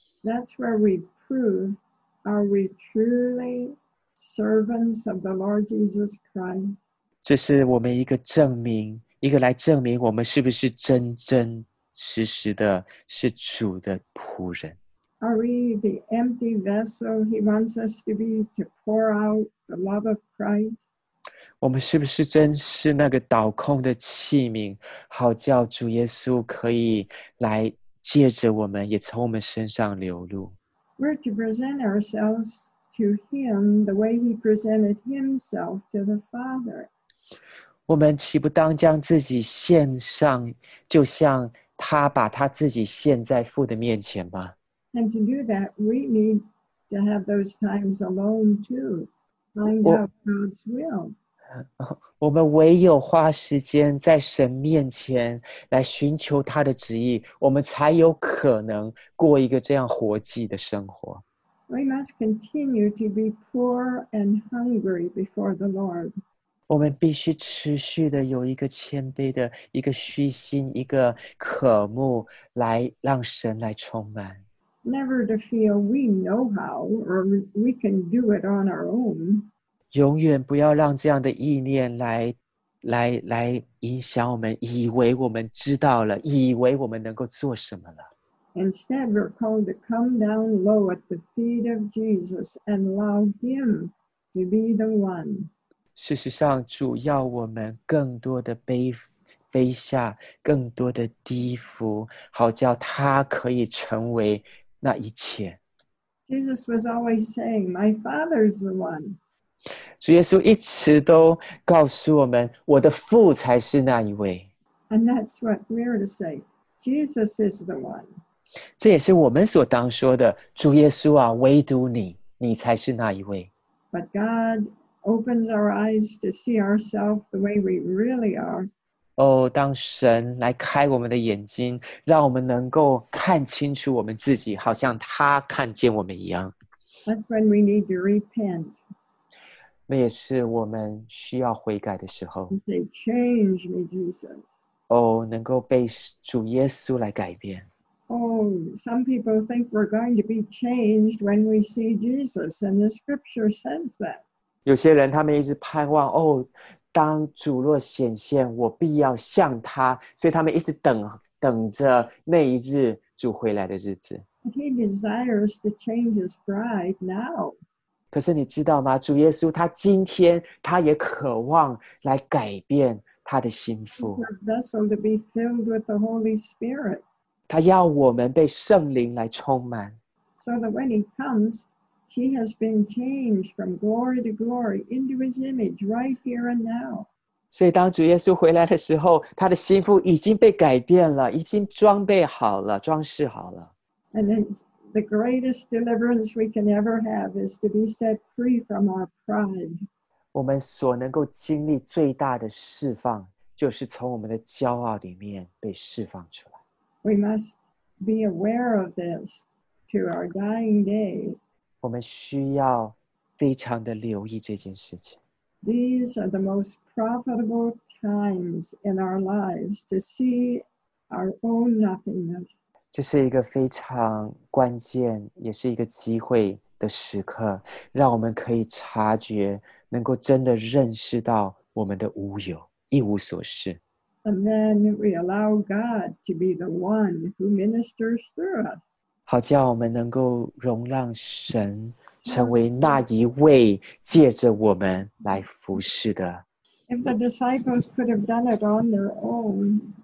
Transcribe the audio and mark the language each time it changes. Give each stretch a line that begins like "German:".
English: That's where we prove, are we truly servants of the Lord Jesus Christ?
Chinese: 这是我们一个证明，一个来证明我们是不是真真实实的是主的仆人。
English: Are we the empty vessel he wants us to be to pour out the love of Christ?
Chinese: 我们是不是真是那个倒空的器皿，好叫主耶稣可以来借着我们，也从我们身上流露？
English: We're to present ourselves to him the way he presented himself to the Father.
Chinese: 我们岂不当将自己献上，就像他把他自己献在父的面前吗？
English: And to do that, we need to have those times alone too. Find out God's will.
Chinese: 我们唯有花时间在神面前来寻求他的旨意，我们才有可能过一个这样活祭的生活。
English: We must continue to be poor and hungry before the Lord.
Chinese: 我们必须持续的有一个谦卑的一个虚心，一个渴慕来让神来充满。
English: Never to feel we know how or we can do it on our own.
Chinese: 永远不要让这样的意念来影响我们，以为我们知道了，以为我们能够做什么了。
English: Instead, we're called to come down low at the feet of Jesus and allow him to be the one.
Chinese: 事实上，主要我们更多的卑下，更多的低伏，好叫他可以成为那一切。
English: Jesus was always saying, my Father is the one.
Chinese: 主耶稣一直都告诉我们，我的父才是那一位。
English: And that's what we're to say, Jesus is the one.
Chinese: 这也是我们所当说的，主耶稣啊，唯独你，你才是那一位。
English: But God opens our eyes to see ourselves the way we really are.
Chinese: 哦，当神来开我们的眼睛，让我们能够看清楚我们自己，好像他看见我们一样。
English: That's when we need to repent.
Chinese: 那也是我们需要悔改的时候。
English: They change me, Jesus.
Chinese: 哦，能够被主耶稣来改变。
English: Oh, some people think we're going to be changed when we see Jesus, and the scripture says that.
Chinese: 有些人他们一直盼望，哦，当主若显现，我必要像他，所以他们一直等着那一日主回来的日子。
English: But he desires to change his bride now.
Chinese: 可是你知道吗？主耶稣他今天他也渴望来改变他的心腹。
English: He wants the vessel to be filled with the Holy Spirit.
Chinese: 他要我们被圣灵来充满。
English: So that when he comes, he has been changed from glory to glory into his image right here and now.
Chinese: 所以当主耶稣回来的时候，他的心腹已经被改变了，已经装备好了，装饰好了。
English: And the greatest deliverance we can ever have is to be set free from our pride.
Chinese: 我们所能够经历最大的释放，就是从我们的骄傲里面被释放出来。
English: We must be aware of this to our dying day.
Chinese: 我们需要非常的留意这件事情。
English: These are the most profitable times in our lives to see our own nothingness.
Chinese: 这是一个非常关键，也是一个机会的时刻，让我们可以察觉，能够真的认识到我们的无有，一无所事。
English: And then we allow God to be the one who ministers through us.
Chinese: 好叫我们能够容让神成为那一位借着我们来服侍的。
English: If the disciples could have done it on their own,